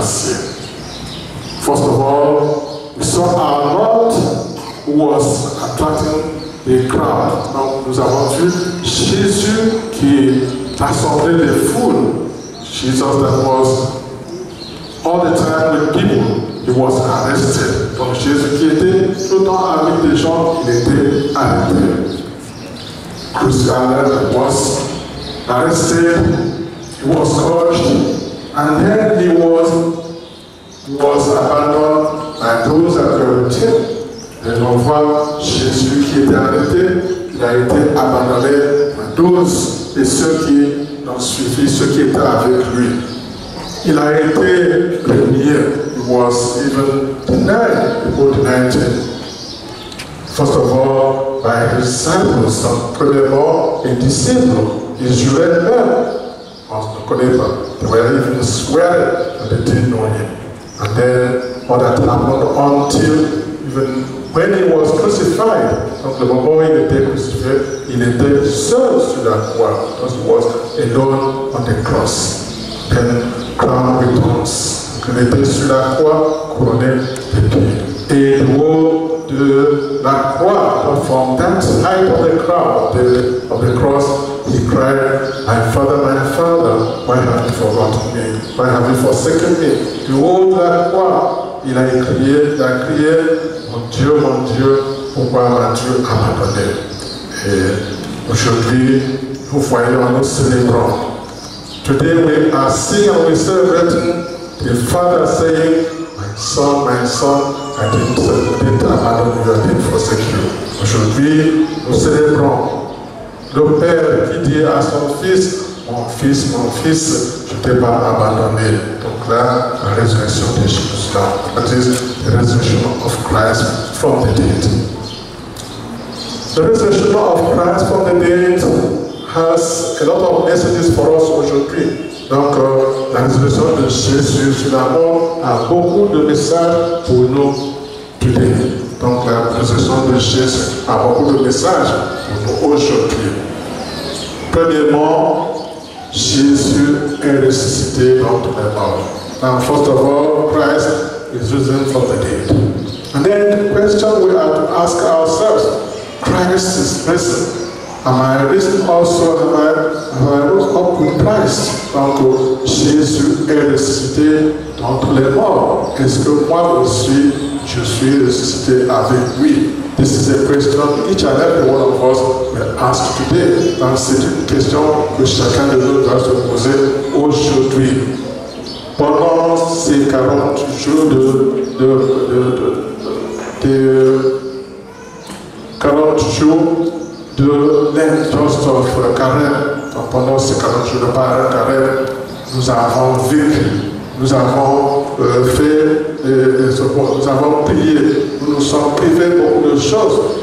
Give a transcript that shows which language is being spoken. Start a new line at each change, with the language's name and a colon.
English: First of all, we saw our Lord who was attracting les crowds.
French: Donc nous avons vu Jésus qui assemblait les foules.
English: Jesus that was all the time with people. He was arrested.
French: Donc Jésus qui était tout le temps avec les gens, il était arrêté.
English: Crucified, was arrested, he was scourged, and then he was abandoned by those that were with him.
French: Et on voit Jésus qui était arrêté, il a été abandonné par tous et ceux qui l'ont suivi, ceux qui étaient avec lui. Il a été renié, il
English: was even denied, he was denied him. First of all, by his disciples,
French: premièrement, les disciples, ils juraient même, on ne connaît pas,
English: they were even swearing, but they didn't know him. And then, all that happened until even when he was crucified,
French: donc le moment où il était crucifié, il était seul sur la croix,
English: because he was alone on the cross. Then, crowned with thorns.
French: Il était sur la croix, couronné de pieds. Et le haut de la croix,
English: from that height of the crown, of the cross, he cried, my Father, why have you forgotten me? Why have you forsaken me?
French: Du haut de la croix, il a crié, mon Dieu, pourquoi m'as-tu abandonné? Et aujourd'hui, nous voyons, nous célébrons.
English: Today we are seeing and we celebrate the Father saying, my son, I didn't abandon you, I didn't forsake you.
French: Aujourd'hui, nous célébrons le Père qui dit à son fils, mon fils, je ne t'ai pas abandonné. Donc là, la résurrection de Jésus.
English: That is the resurrection of Christ from the dead. The resurrection of Christ from the dead has a lot of messages for us aujourd'hui.
French: Donc, la résurrection de Jésus sur la mort a beaucoup de messages pour nous today. Donc, la résurrection de Jésus a beaucoup de messages pour nous aujourd'hui. Premièrement, Jésus est ressuscité d'entre les morts.
English: And first of all, Christ is risen from the dead. And then, the question we have to ask ourselves, Christ is risen. Am I risen also? Am I rose up with Christ?
French: Donc, Jésus est ressuscité d'entre les morts. Est-ce que moi aussi, je suis ressuscité avec lui?
English: This is a question each and every one of us will ask today.
French: Donc, c'est une question que chacun de nous doit se poser aujourd'hui. Pendant ces 40 jours de 40 jours, de l'intérêt de carême, pendant ces 40 jours de parrain carême, nous avons vécu, nous avons fait, nous avons prié, nous nous sommes privés beaucoup de choses.